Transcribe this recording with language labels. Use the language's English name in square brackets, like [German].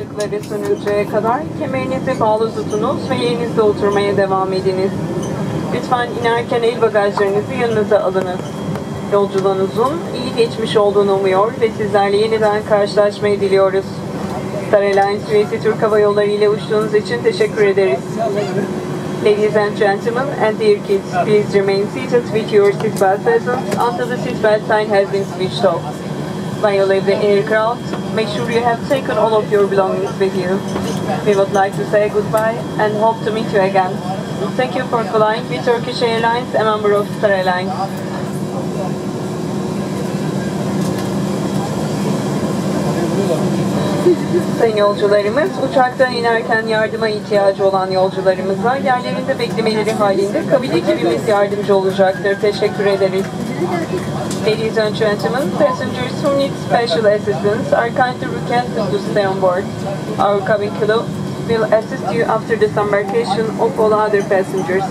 [Turkish] Ve sönünceye kadar kemerinizi bağlı tutunuz ve yerinizde oturmaya devam ediniz. Lütfen inerken el bagajlarınızı yanınıza alınız. Yolculuğunuzun iyi geçmiş olduğunu umuyor ve sizlerle yeniden karşılaşmayı diliyoruz. Star Airlines üyesi Türk Hava Yolları ile uçtuğunuz için teşekkür ederiz. [English] Ladies and gentlemen and dear kids, please remain seated with your seatbelt fastened until the seatbelt sign has been switched off. When you leave the aircraft, make sure you have taken all of your belongings with you. We would like to say goodbye and hope to meet you again. Thank you for flying with Turkish Airlines, a member of Star Airlines. [Turkish] Sayın yolcularımız, uçaktan inerken yardıma ihtiyacı olan yolcularımıza yerlerinde beklemeleri halinde kabin ekibimiz yardımcı olacaktır. Teşekkür ederiz. [English] Ladies and gentlemen, passengers who need special assistance are kindly requested to stay on board. Our cabin crew will assist you after disembarkation of all other passengers.